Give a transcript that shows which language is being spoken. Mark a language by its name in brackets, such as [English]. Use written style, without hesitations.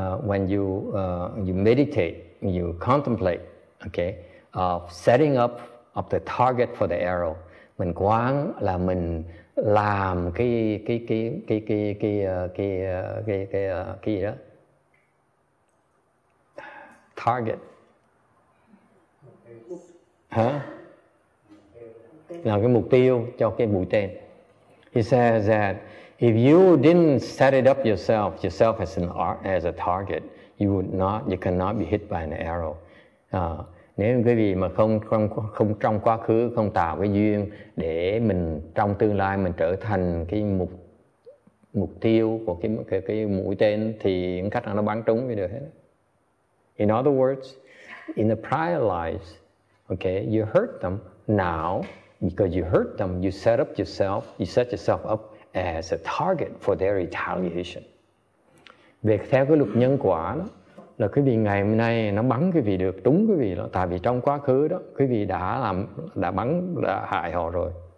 [English] When you meditate, you contemplate, okay, of setting up of the target for the arrow. [Vietnamese] Mình quán là mình làm cái đó. [English] Target. [Vietnamese] Hả? Là cái mục tiêu cho cái mũi tên. [English] He says that if you didn't set it up yourself as a target, you cannot be hit by an arrow. [Vietnamese] Nếu quý vị mà không trong quá khứ không tạo cái duyên để mình trong tương lai mình trở thành cái mục tiêu của cái mũi tên thì cách nào nó bắn trúng thì được hết. [English] In other words, in the prior lives, okay, you hurt them. Now, because you hurt them, you set yourself up as a target for their retaliation. [Vietnamese] Về theo cái luật nhân quả đó, là quý vị ngày hôm nay nó bắn quý vị được trúng quý vị đó, tại vì trong quá khứ đó quý vị đã hại họ rồi.